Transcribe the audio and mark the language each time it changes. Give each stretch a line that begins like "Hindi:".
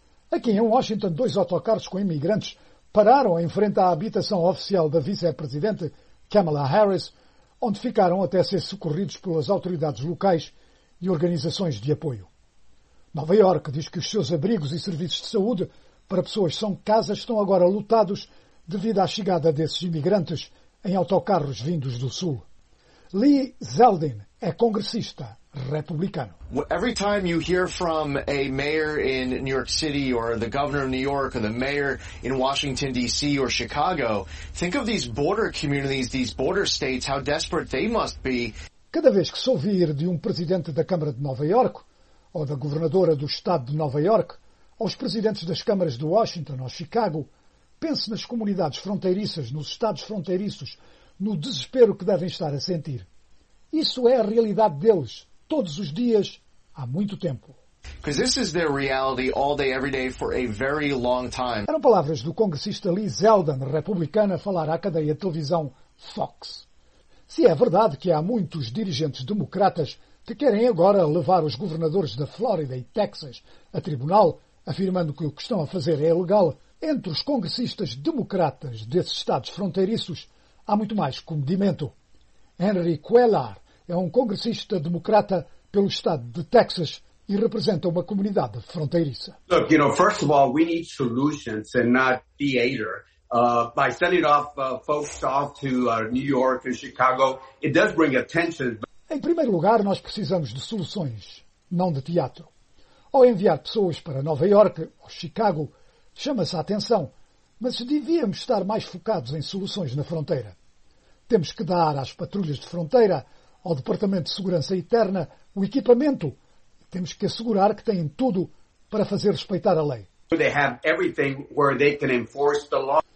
Portuguese: Aqui em Washington, dois autocarros com imigrantes pararam em frente à habitação oficial da vice-presidente Kamala Harris, onde ficaram até ser socorridos pelas autoridades locais e organizações de apoio. Nova York diz que os seus abrigos e serviços de saúde para pessoas sem casa estão agora lotados devido à chegada desses imigrantes em autocarros vindos do sul. Lee Zeldin é congressista republicano.
English: Every time you hear from a mayor in New York City or the governor of New York or the mayor in Washington D.C. or Chicago, think of these border communities, these border states, how desperate they must be.
Portuguese: Cada vez que se ouvir de um presidente da Câmara de Nova York ou da governadora do estado de Nova York ou os presidentes das câmaras de Washington ou Chicago, pense nas comunidades fronteiriças, nos estados fronteiriços, no desespero que devem estar a sentir. Isso é a realidade deles, todos os dias, há muito tempo.
English: Because this is their reality all day, every day, for a very long time.
Portuguese: Eram palavras do congressista Lee Zeldin, republicano, a falar à cadeia de televisão Fox. Se é verdade que há muitos dirigentes democratas que querem agora levar os governadores da Flórida e Texas a tribunal, afirmando que o que estão a fazer é ilegal, entre os congressistas democratas desses estados fronteiriços, há muito mais comedimento. Henry Cuellar é um congressista democrata pelo estado de Texas e representa uma comunidade fronteiriça.
English: Look, you know, first of all, we need solutions and not theater. By sending off folks off to New York and Chicago, it does bring attention.
Portuguese: Em primeiro lugar, nós precisamos de soluções, não de teatro. Ao enviar pessoas para Nova York ou Chicago, chama-se a atenção, mas devíamos estar mais focados em soluções na fronteira. Temos que dar às patrulhas de fronteira, ao Departamento de Segurança Interna, o equipamento. Temos que assegurar que têm tudo para fazer respeitar a lei.
English: They have everything where they can enforce the law.